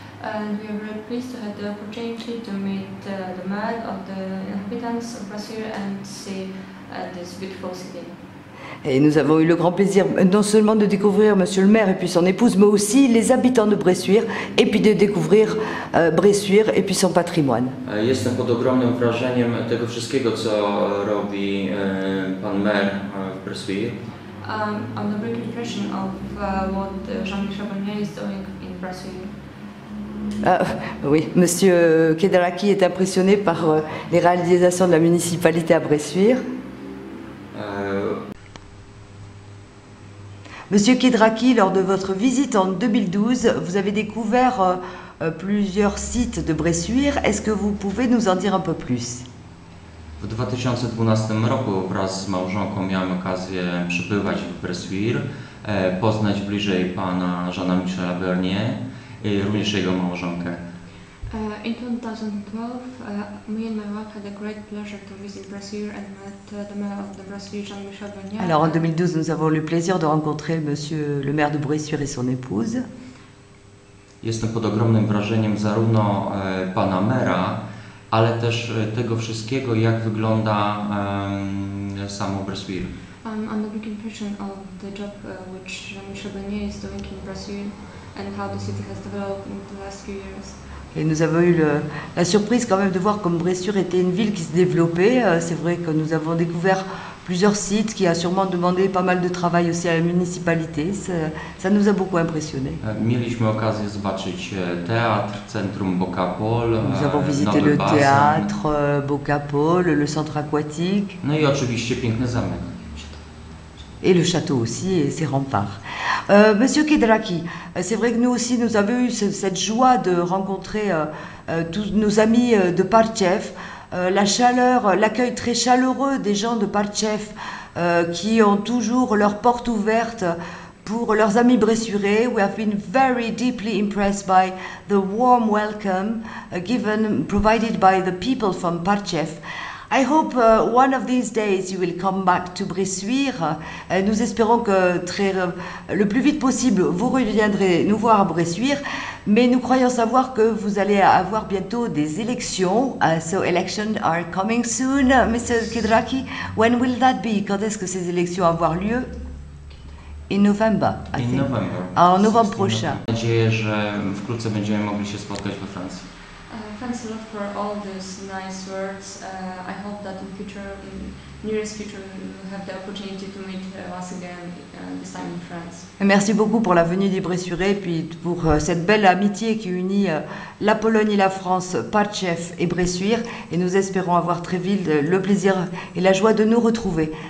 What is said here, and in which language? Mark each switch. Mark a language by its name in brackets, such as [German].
[English] And we are very pleased to have the opportunity to meet the mayor of the inhabitants of Bressuire and see this beautiful city. [French] Et nous avons eu le grand plaisir non seulement de découvrir monsieur le maire et puis son épouse, mais aussi les habitants de Bressuire et puis de découvrir Bressuire et puis son patrimoine. [Polish] Jestem pod ogromnym wrażeniem tego wszystkiego, co robi pan maire w Bressuire. [English] I'm under great impression of what Jean-Michel Bernier is doing in Bressuire. [French] Oui, monsieur Kedaraki est impressionné par les réalisations de la municipalité à Bressuire. Monsieur Kedraki, lors de votre visite en 2012, vous avez découvert plusieurs sites de Bressuire. Est-ce que vous pouvez nous en dire un peu plus? [Polish] W 2012 roku wraz z małżonką miałem okazję przebywać w Bressuire, poznać bliżej pana Jeana Michela Bernier i również jego małżonkę. [English] In 2012, me and my wife had a great pleasure to visit Bressuire and met the mayor of the Bressuire, Jean-Michel Bernier. [French] Alors en 2012, nous avons le plaisir de rencontrer monsieur le maire de Bressuire et son épouse. [Polish] Jestem pod ogromnym wrażeniem zarówno pana maire, ale też tego wszystkiego, jak wygląda samo Bressuire. [English] I'm under big impression of the job which Jean-Michel Bernier is doing in Bressuire and how the city has developed in the last few years. [French] Et nous avons eu la surprise quand même de voir comme Bressuire était une ville qui se développait. C'est vrai que nous avons découvert plusieurs sites qui a sûrement demandé pas mal de travail aussi à la municipalité. Ça nous a beaucoup impressionné. [Polish] Mieliśmy okazję zobaczyć teatr, centrum Bokapol. [French] Nous avons visité le théâtre Bokapol, le centre aquatique. [Polish] No i oczywiście piękny zamek. [French] Et le château aussi et ses remparts. Monsieur Kedraki, c'est vrai que nous aussi nous avons eu cette joie de rencontrer tous nos amis de Parchev. La chaleur, l'accueil très chaleureux des gens de Parchev qui ont toujours leurs portes ouvertes pour leurs amis bressurés. [English] We have been very deeply impressed by the warm welcome provided by the people from Parchev. I hope one of these days you will come back to Bressuire. [French] Nous espérons que le plus vite possible vous reviendrez nous voir à Bressuire, mais nous croyons savoir que vous allez avoir bientôt des élections. [English] So elections are coming soon, Mr. Kedraki. When will that be? [French] Quand est-ce que ces élections vont avoir lieu? [English] In November, I think. In November. [French] En novembre prochain. J'espère que nous allons pouvoir nous rencontrer en France. [English] Thank you. thanks a lot for all those nice words. I hope that in future, in nearest future, we'll have the opportunity to meet us again, this time in France. [French] Et merci beaucoup pour la venue des Bressuirés, puis pour cette belle amitié qui unit la Pologne et la France, Parchev et Bressuire. Et nous espérons avoir très vite le plaisir et la joie de nous retrouver.